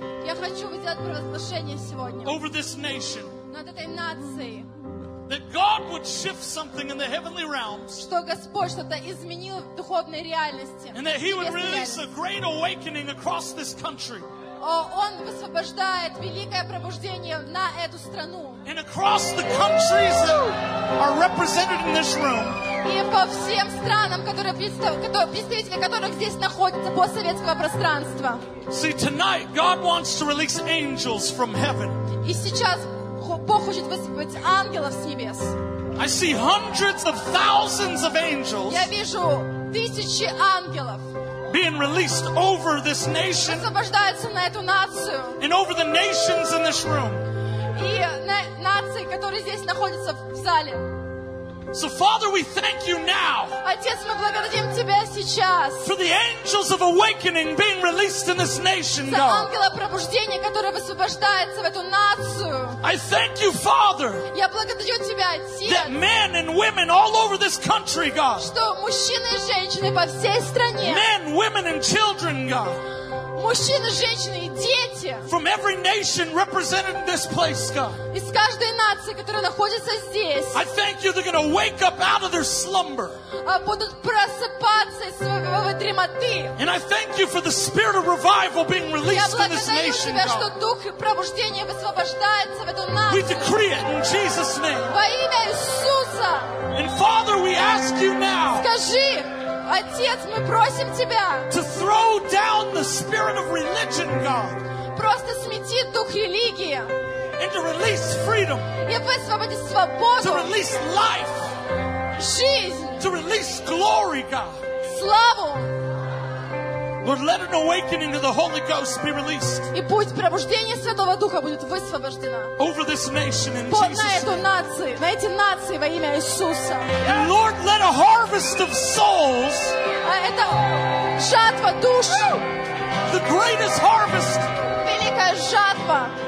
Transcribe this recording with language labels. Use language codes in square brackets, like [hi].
[ru] Я хочу сделать провозглашение сегодня. [en] Over this nation. [ru] Над этой нацией. [en] That God would shift something in the heavenly realms. [ru] Что Господь что-то изменил в духовной реальности. [en] And that He would release a great awakening across this country. [ru] Он высвобождает великое пробуждение на эту страну. [en] And across the countries that are represented in this room. [ru] И по всем странам, представители которых здесь находятся постсоветского пространства. [en] See, tonight God wants to release angels from heaven. [ru] И сейчас Бог хочет высвободить ангелов с небес. [en] I see hundreds of thousands of angels. [ru] Я вижу тысячи ангелов. [en] Being released over this nation. [ru] Освобождаются на эту нацию. [en] And over the nations in this room. [ru] И на нации, которые здесь находятся в зале. [en] So Father, we thank you now. [ru] Отец, мы благодарим тебя сейчас. [en] For the angels of awakening being released in this nation, God. [ru] За ангела пробуждения, который высвобождается в эту нацию. [en] I thank you, Father. [ru] Я благодарю тебя, Отец. [en] That men and women all over this country, God. [ru] Что мужчины и женщины по всей стране. [en] Men, women and children, God. [ru] Мужчины, женщины и дети. [en] From every nation represented in this place, God. [ru] Из каждой нации, которая находится здесь. [en] I thank you they're going to wake up out of their slumber. [ru] Будут просыпаться из своего дремоты. [en] And I thank you for the spirit of revival being released in this nation, God. [ru] Я благодарю тебя, что дух пробуждения высвобождается в эту нацию. [en] We decree it in Jesus' name. [ru] Во имя Иисуса. [en] And Father, we ask you now. [ru] Скажи. Отец, мы просим тебя. [en] To throw down the spirit of religion, God. [ru] Просто смети дух религии. [en] And to release freedom. [ru] И высвободи свободу. [en] To release life. [ru] Жизнь. [en] To release glory, God. [ru] Славу. [en] Lord, let an awakening of the Holy Ghost be released. [ru] И пусть пробуждение Святого Духа будет высвобождено. [en] Over this nation in Jesus' name. [ru] На эту нацию, на эти нации во имя Иисуса. [en] And Lord, let a harvest of souls. [ru] Это жатва душ. [en] The greatest harvest. [ru] Великая жатва.